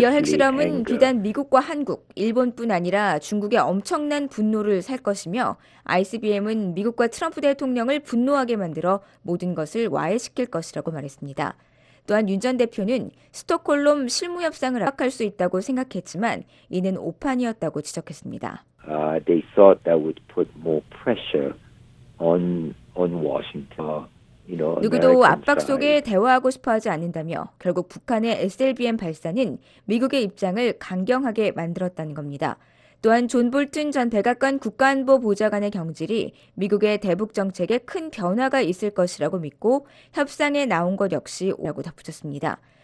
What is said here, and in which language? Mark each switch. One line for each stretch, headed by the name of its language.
Korean: 이어 핵실험은 비단 미국과 한국, 일본뿐 아니라 중국의 엄청난 분노를 살 것이며 ICBM은 미국과 트럼프 대통령을 분노하게 만들어 모든 것을 와해시킬 것이라고 말했습니다. 또한 윤 전 대표는 스톡홀름 실무 협상을 압박할 수 있다고 생각했지만 이는 오판이었다고 지적했습니다.
English: They thought that would put more pressure on Washington.
Korean: 누구도 압박 속에 대화하고 싶어하지 않는다며 결국 북한의 SLBM 발사는 미국의 입장을 강경하게 만들었다는 겁니다. 또한 존 볼튼 전 백악관 국가안보 보좌관의 경질이 미국의 대북 정책에 큰 변화가 있을 것이라고 믿고 협상에 나온 것 역시 오라고 덧붙였습니다.